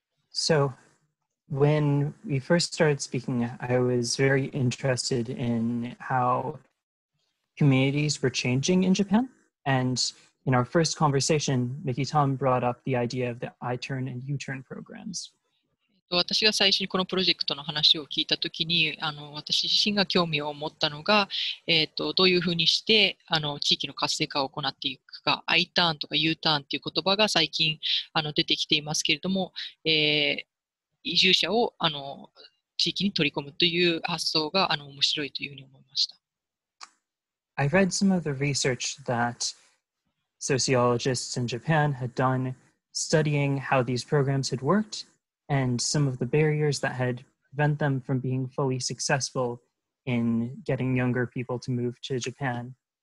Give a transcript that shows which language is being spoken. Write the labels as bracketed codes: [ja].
[en] So when we first started speaking, I was very interested in how communities were changing in Japan. And in our first conversation, Miki-san brought up the idea of the I-turn and U-turn programs. [ja] 私が最初にこのプロジェクトの話を聞いたときに私自身が興味を持ったのが、どういうふうにして地域の活性化を行っていくか I ターンとか U ターンという言葉が最近出てきていますけれども、移住者を地域に取り込むという発想が面白いというふうに思いました。 [en] I read some of the research that sociologists in Japan had done studying how these programs had workedand some of the barriers that had prevent them from being fully successful in getting younger people to move to Japan.